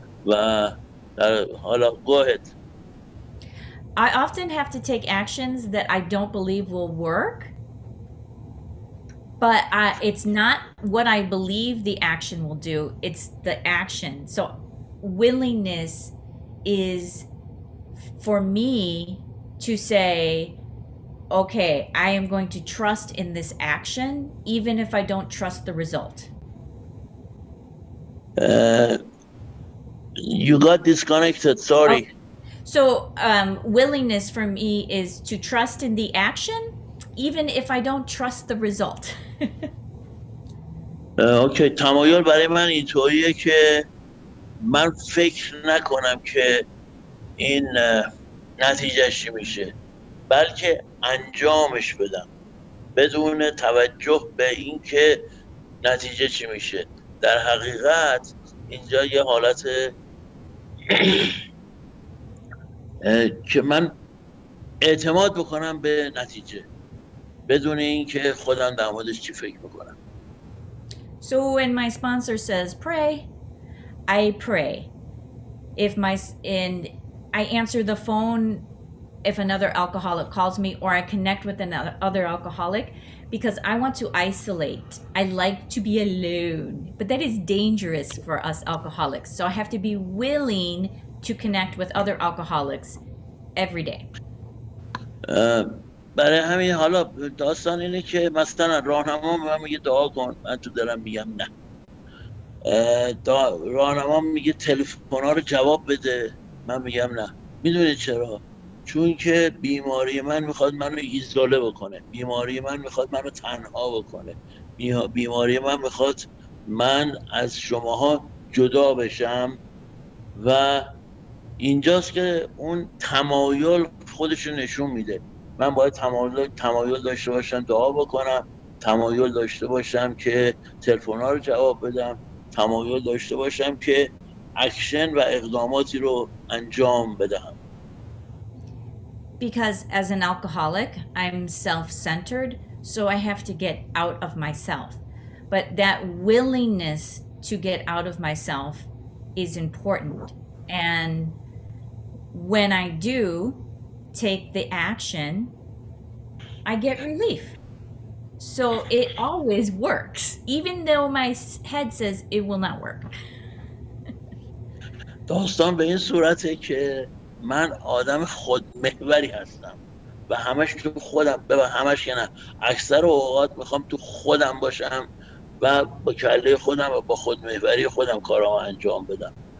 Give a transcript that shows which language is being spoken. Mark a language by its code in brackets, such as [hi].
[fa] و حالا [en] go ahead. I often have to take actions that I don't believe will work, but it's not what I believe the action will do, it's the action. So willingness is for me to say, okay, I am going to trust in this action even if I don't trust the result. You got disconnected, sorry. Oh. So willingness for me is to trust in the action even if I don't trust the result. [fa] Okay, تمایل برای من اینطوریه که من فکر نکنم که این نتیجه میشه، بلکه انجامش بدم بدون توجه به اینکه نتیجه چی میشه. در حقیقت اینجا یه حالت که من اعتماد بکنم به نتیجه بدون اینکه خودم در موردش چی فکر بکنم. [en] So when my sponsor says pray, I pray. If my and I answer the phone if another alcoholic calls me, or I connect with another alcoholic, because I want to isolate. I like to be alone, but that is dangerous for us alcoholics. So I have to be willing to connect with other alcoholics every day. [fa] برای همین حالا داستان اینه که مثلا راهنما میگه دعا کن، من تو دلم میگم نه. راهنما میگه تلفن‌ها رو جواب بده، من میگم نه. میدونی چرا؟ چون که بیماری من میخواد منو ایزوله بکنه، بیماری من میخواد منو تنها بکنه، بیماری من میخواد من از شماها جدا بشم. و اینجاست که اون تمایل خودشو نشون میده، من باید تمایل داشته باشم دعا بکنم، تمایل داشته باشم که تلفن ها رو جواب بدم، تمایل داشته باشم که اکشن و اقداماتی رو انجام بدم. [en] Because as an alcoholic, I'm self-centered, so I have to get out of myself. But that willingness to get out of myself is important. And when I do take the action, I get relief. So it always works, even though my head says it will not work. [fa] داستان به این صورته که من آدم خودمحوری هستم و همش تو خودم، همش نه، اکثر اوقات میخوام تو خودم باشم و با کله خودم و با خودمحوری خودم کارامو انجام بدم.